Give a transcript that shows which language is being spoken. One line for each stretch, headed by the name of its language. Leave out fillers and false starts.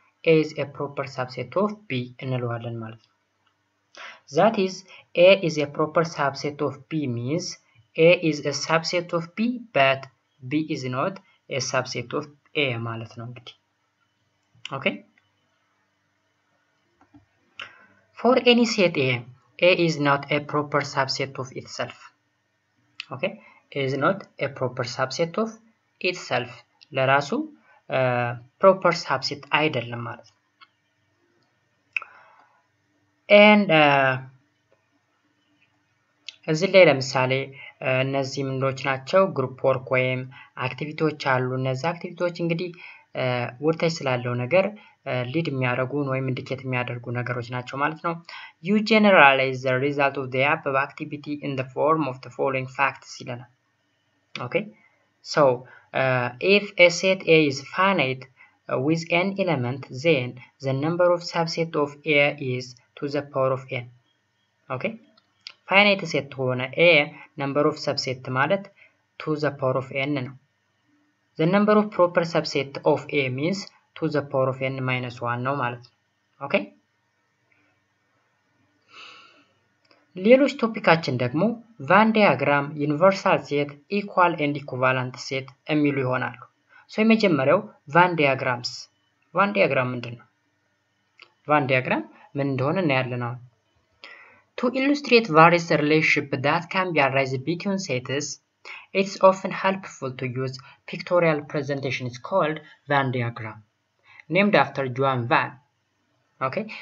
English: is a proper subset of B
Amharic: እንለዋለን ማለት ነው።
English: That is, A is a proper subset of B means A is a subset of B, but B is not a subset of A
Amharic: ማለት ነው እንግዲህ።
English: Okay? For any set A, A is not a proper subset of itself. Okay? Is not a proper subset of itself.
Amharic: ለራሱ proper subset አይደለም ማለት ነው። And እዚህ ላይ ለምሳሌ እነዚህ ምንዶች ናቸው ግሩፕ ወርክ ወይም አክቲቪቲዎች አሉ። እነዚህ አክቲቪቲዎች እንግዲህ ወርታይ ስላለው ነገር ሊድ የሚያደርጉን ወይም ኢንዲኬት የሚያደርጉ ነገሮች ናቸው ማለት ነው።
English: You generalize the result of the above activity in the form of the following facts
Amharic: ይላል። Okay?
English: So, if a set A is finite with n element, then the number of subset of A is to the power of n. Okay? Finite set ሆነ A number of subset ማለት to the power of n ነው። The number of proper subset of A means to the power of n minus 1
Amharic: ነው ማለት ነው።
English: Okay?
Amharic: ሌሎች ቶፒካችን ደግሞ ቫን ዳያግራም፣ ዩኒቨርሳል ሴት፣ ኢኳል ኤንድ ኢኩቫለንት ሴት የሚሉ ይሆናሉ። ሶ የመጀመሪያው ቫን ዳያግራምስ። ቫን ዳያግራም ምንድነው? ቫን ዳያግራም ምን እንደሆነ እናያለን።
English: To illustrate various relationships that can be arised between sets, it's often helpful to use pictorial presentation is called Venn diagram, named after Johann Venn. Okay?